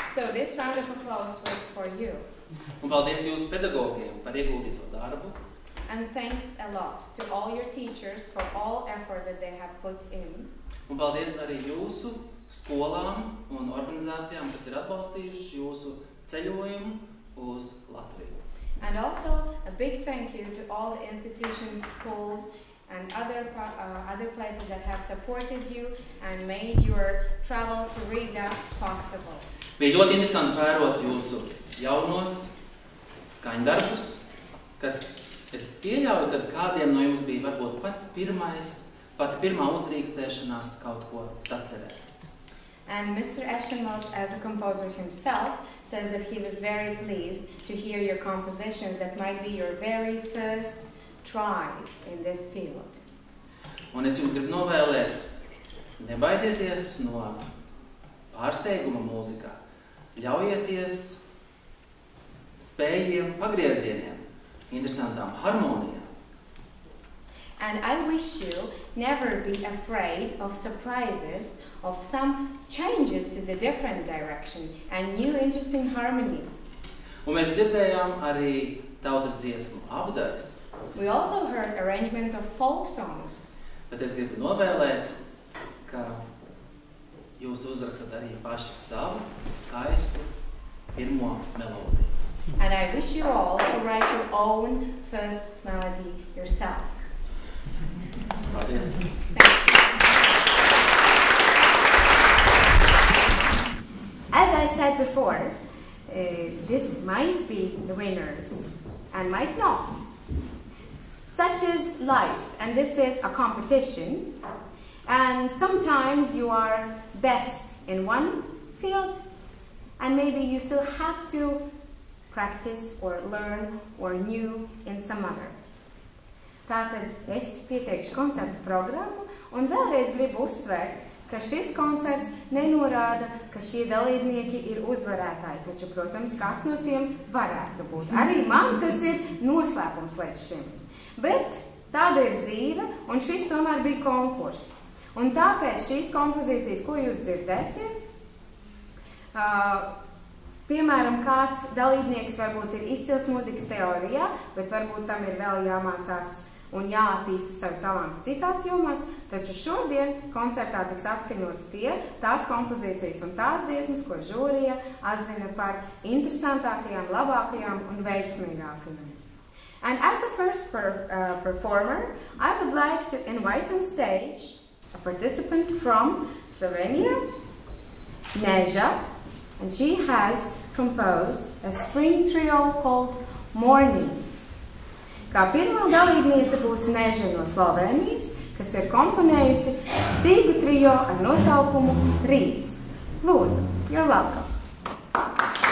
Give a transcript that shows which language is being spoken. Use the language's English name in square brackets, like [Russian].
[Latvian] Un paldies jūsu pedagogiem par ieguldīto darbu. [English] And thanks a lot to all your teachers for all effort that they have put in. [Latvian] Un paldies arī jūsu skolām un organizācijām, kas ir atbalstījuši jūsu ceļojumu uz Latviju. [English] And also a big thank you to all the institutions, schools and other places that have supported you and made your travel to Riga possible. [Latvian] Bija ļoti interesanti vērot jūsu jaunos skaņdarbus, kas es pieļauju, ka kādiem no jums bija varbūt pats pirmais, pat pirmā uzrīkstēšanās kaut ko sacerēt. [English] And Mr. Ešenvalds, as a composer himself, says that he was very pleased to hear your compositions that might be your very first tries in this field. [Latvian] Un es jums gribu novēlēt, nebaidieties no pārsteiguma mūzikā. Ļaujieties spējiem pagriezieniem, interesantām harmonijām. [English] And I wish you never be afraid of surprises, of some changes to the different direction and new interesting harmonies. [Latvian] Un mēs dzirdējām arī tautas dziesmu apdaļas. [English] We also heard arrangements of folk songs. [Latvian] Bet es gribu novēlēt, ka jūs uzrakstat arī paši savu skaistu pirmo melodiju. [English] And I wish you all to write your own first melody yourself. [Latvian] Paldies. [English] As I said before, this might be the winners and might not. Such is life, and this is a competition. And sometimes you are best in one field, and maybe you still have to practice or learn or new in some other. [Latvian] Tātad es pieteikšu koncertu programmu, un vēlreiz gribu uzsvērt, ka šis koncerts nenorāda, ka šie dalībnieki ir uzvarētāji, taču, protams, kāds no tiem varētu būt. Arī man tas ir noslēpums līdz šim. Bet tāda ir dzīve, un šis tomēr bija konkurss. Un tāpēc šīs kompozīcijas, ko jūs dzirdēsiet, Piemēram, kāds dalībnieks varbūt ir izcils mūzikas teorijā, bet varbūt tam ir vēl jāmācās un jāattīsta savu talantu citās jomās, taču šodien koncertā tiks atskaņoti tie, tās kompozīcijas un tās dziesmas, ko žūrija atzina par interesantākajām, labākajām un veiksmīgākajām. [English] And as the first performer, I would like to invite on stage a participant from Slovenia, Neža, and she has composed a string trio called Morning. [Latvian] Kā pirmā dalībniece būs Neža no Slovenijas, kas ir komponējusi stīgu trio ar nosaukumu Rīts. Lūdzu, [English] you're welcome.